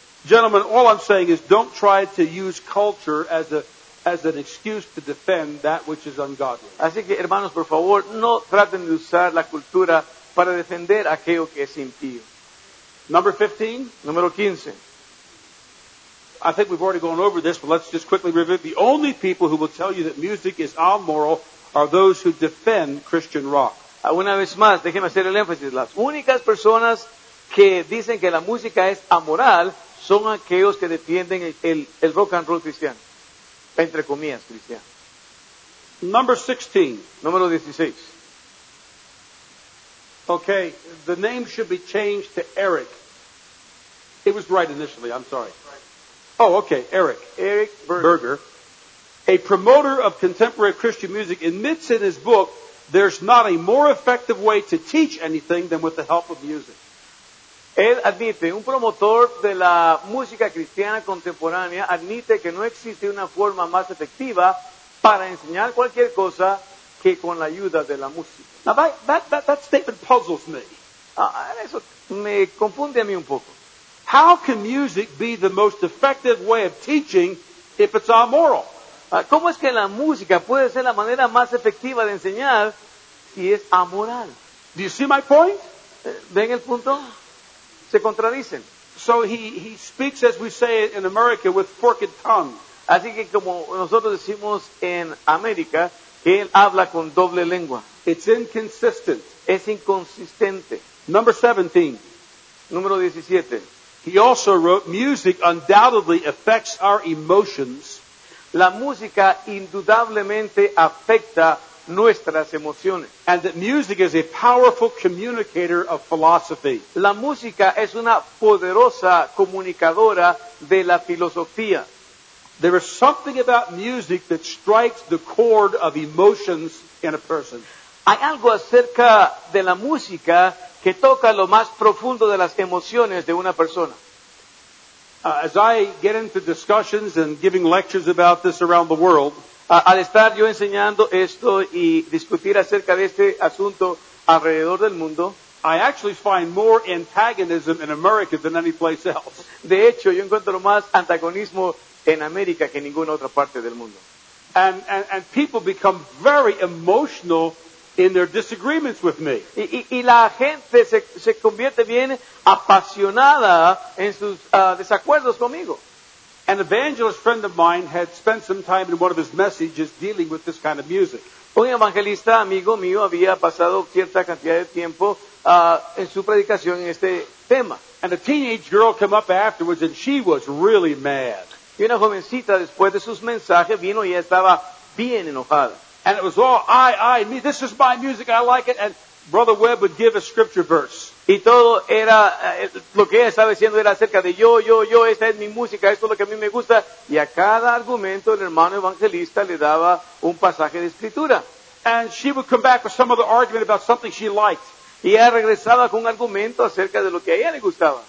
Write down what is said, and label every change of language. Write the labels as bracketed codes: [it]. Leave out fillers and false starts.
[en] Gentlemen, all I'm saying is don't try to use culture as an excuse to defend that which is ungodly. [es] Así que hermanos, por favor, no traten de usar la cultura para defender aquello que es impío. [en] Number 15. [es] Número 15. [en] I think we've already gone over this, but let's just quickly review. The only people who will tell you that music is immoral are those who defend Christian rock. [es] Una vez más, déjeme hacer el énfasis. Las únicas personas que dicen que la música es amoral son aquellos que defienden el rock and roll cristiano. Entre comillas, cristiano. [en] Number 16. [es] Número 16. [en] Okay, the name should be changed to Eric. It was right initially, I'm sorry. [es] Oh, okay, Eric. Eric Berger. [en] A promoter of contemporary Christian music admits in his book, there's not a more effective way to teach anything than with the help of music. [es] Él admite, un promotor de la música cristiana contemporánea admite que no existe una forma más efectiva para enseñar cualquier cosa que con la ayuda de la música. [en] Now, that statement puzzles me. [es] Eso me confunde a mí un poco. [en] How can music be the most effective way of teaching if it's immoral? [es] ¿Cómo es que la música puede ser la manera más efectiva de enseñar si es amoral? [en] Do you see my point? [es] ¿Ven el punto? Se contradicen. [en] So he speaks, as we say in America, with forked tongue. [es] Así que como nosotros decimos en América, que él habla con doble lengua. [en] It's inconsistent. [es] Es inconsistente. [en] Number 17. [es] Número 17. [en] He also wrote, music undoubtedly affects our emotions. [es] La música indudablemente afecta nuestras emociones. [en] And that music is a powerful communicator of philosophy. [es] La música es una poderosa comunicadora de la filosofía. [en] There is something about music that strikes the chord of emotions in a person. [es] Hay algo acerca de la música que toca lo más profundo de las emociones de una persona. [en] As I get into discussions and giving lectures about this around the world, [es] al estar yo enseñando esto y discutir acerca de este asunto alrededor del mundo, [en] I actually find more antagonism in America than any place else. [es] De hecho, yo encuentro más antagonismo en América que en ninguna otra parte del mundo. [en] And people become very emotional in their disagreements with me. [es] Y la gente se convierte bien apasionada en sus desacuerdos conmigo. [en] An evangelist friend of mine had spent some time in one of his messages dealing with this kind of music. [es] Un evangelista amigo mío había pasado cierta cantidad de tiempo en su predicación en este tema. [en] And a teenage girl came up afterwards and she was really mad. [es] Y una jovencita después de sus mensajes vino y estaba bien enojada. [en] And it was all, I, me, this is my music, I like it. And Brother Webb would give a scripture verse. [es] Y todo era, lo que ella estaba diciendo era acerca de yo, esta es mi música, esto es lo que a mí me gusta. Y a cada argumento el hermano evangelista le daba un pasaje de escritura. [en] And she would come back with some other argument about something she liked. [es] Y ella regresaba con un argumento acerca de lo que a ella le gustaba.